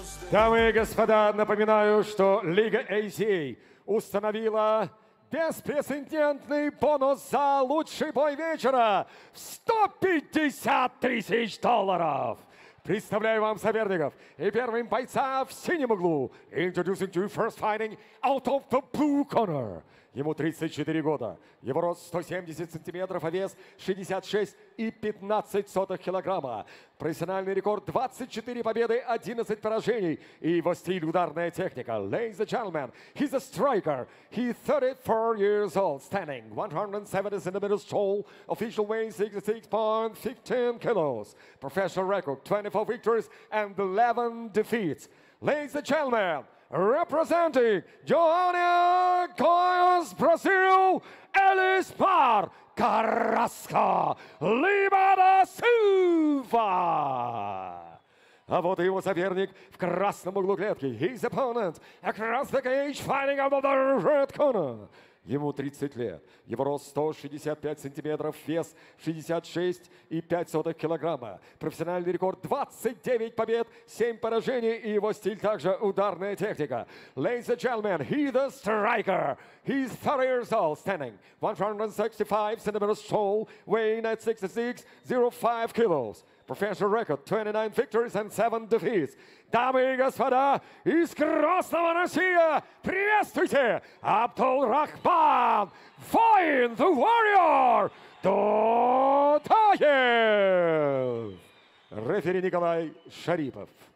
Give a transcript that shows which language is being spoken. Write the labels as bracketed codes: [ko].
[ru] Дамы и господа, напоминаю, что Лига ACA установила беспрецедентный бонус за лучший бой вечера в 150 тысяч долларов. Представляю вам соперников и первым бойца в синем углу. [en] Introducing to you first fighting out of the blue corner. [ru] Ему 34 года. Его рост 170 сантиметров, а вес 66,15 килограмма. Профессиональный рекорд 24 победы, 11 поражений. И его стиль — ударная техника. [en] Ladies and gentlemen, he's a striker. He's 34 years old, standing 170 centimeters tall. Official weight 66.15 kilos. Professional record 24 victories and 11 defeats. Ladies and gentlemen, representing Joanna Coins Brazil, Alice Parr Carrasco Lima da Silva. [ru] А вот и его соперник в красном углу клетки. [en] His opponent across the cage fighting out of the red corner. [ru] Ему 30 лет. Его рост 165 сантиметров, вес 66,05 килограмма. Профессиональный рекорд 29 побед, 7 поражений. И его стиль также — ударная техника. [en] Ladies and gentlemen, he the striker. He's 30 years old, standing 165 centimeters tall, weighing at 66.05 kilos. Professional record 29 victories and 7 defeats. [ru] Дамы и господа, из Красного Россия, приветствуйте Абдулрахман, воин, [en] the warrior, [ru] Дотаев. Рефери Николай Шарипов.